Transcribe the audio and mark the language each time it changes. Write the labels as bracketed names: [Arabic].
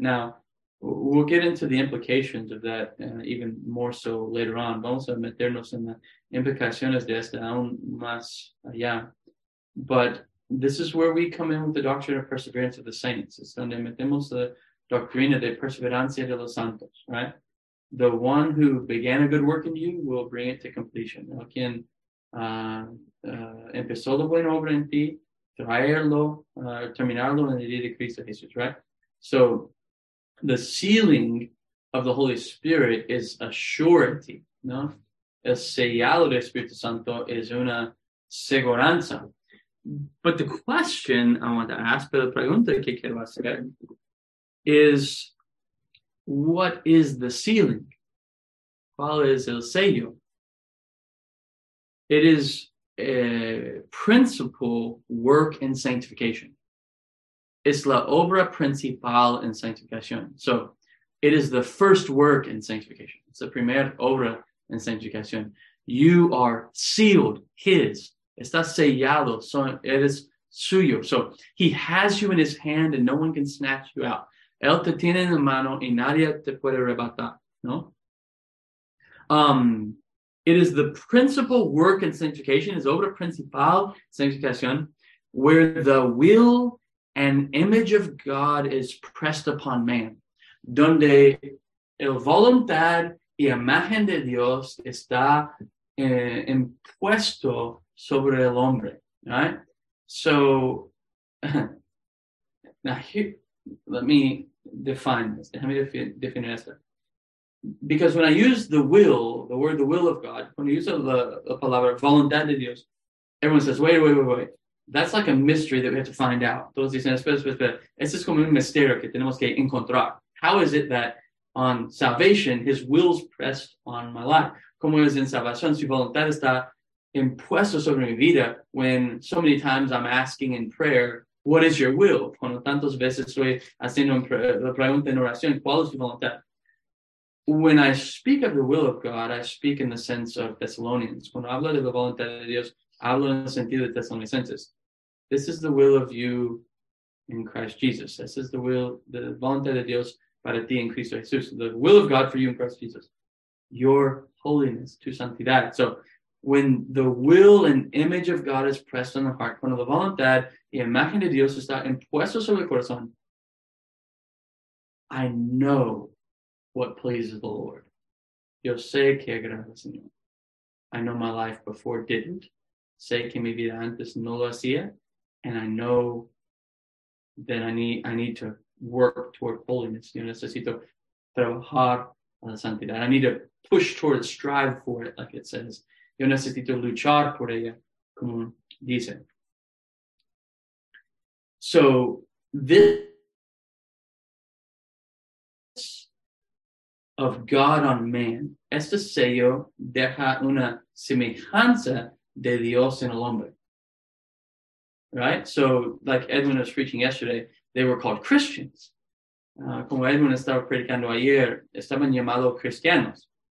[English] Now, we'll get into the implications of that even more so later on. [Spanish] Vamos a meternos en la implicaciones de esta aún más allá. [English] But this is where we come in with the doctrine of perseverance of the saints. [Spanish] Es donde metemos la doctrina de perseverancia de los santos, right? [English] The one who began a good work in you will bring it to completion. [Spanish] El quien empezó la buena obra en ti, traerlo, terminarlo en el día de Cristo Jesús, right? [English] So the sealing of the Holy Spirit is a surety, no? [Spanish] El sellado del Espíritu Santo es una seguranza. [English] But the question I want to ask, [Spanish] pero la pregunta que quiero hacer, [English] is what is the sealing? [Spanish] ¿Cuál es el sello? [English] It is a principal work in sanctification. [Spanish] Es la obra principal en sanctificación. [English] So it is the first work in sanctification. It's the [Spanish] primer obra en sanctificación. [English] You are sealed, his. [Spanish] Estás sellado, eres suyo. [English] So he has you in his hand and no one can snatch you out. [Spanish] Él te tiene en la mano y nadie te puede arrebatar, ¿no? [English] It is the principal work in sanctification, [Spanish] es obra principal sanctificación, [English] where the will and image of God is pressed upon man. [Spanish] Donde el voluntad y imagen de Dios está impuesto sobre el hombre, right? [English] So, now here, let me define this. Let me define this. Because when I use the will, the word the will of God, when I use the [Spanish] palabra voluntad de Dios, [English] everyone says, wait. That's like a mystery that we have to find out. [Spanish] Todos dicen, espera. Este es como un misterio que tenemos que encontrar. [English] How is it that on salvation, his will's pressed on my life? [Spanish] Como es en salvación, su voluntad está impuesto sobre mi vida [English] when so many times I'm asking in prayer, what is your will? [Spanish] Cuando tantas veces estoy haciendo la pregunta en oración, ¿cuál es tu voluntad? [English] When I speak of the will of God, I speak in the sense of Thessalonians. [Spanish] Cuando hablo de la voluntad de Dios, hablo en el sentido de Thessalonians. [English] This is the will of you in Christ Jesus. This is the will, the [Spanish] voluntad de Dios para ti en Cristo Jesús. [English] The will of God for you in Christ Jesus. Your holiness, [Spanish] tu santidad. [English] So when the will and image of God is pressed on the heart, [Spanish] cuando la voluntad y imagen de Dios está impuesto sobre el corazón, [English] I know what pleases the Lord. [Spanish] Yo sé que agrada al Señor. [English] I know my life before didn't. [Spanish] Sé que mi vida antes no lo hacía. [English] And I know that I need to work toward holiness. [Spanish] Yo necesito trabajar a la santidad. [English] I need to push toward, strive for it, like it says. [Spanish] Yo necesito luchar por ella, como dice. [English] So this of God on man. [Spanish] Este sello deja una semejanza de Dios en el hombre. [English] Right? So, like Edwin was preaching yesterday, they were called Christians. [Spanish] Como Edwin estaba predicando ayer, estaban llamados cristianos.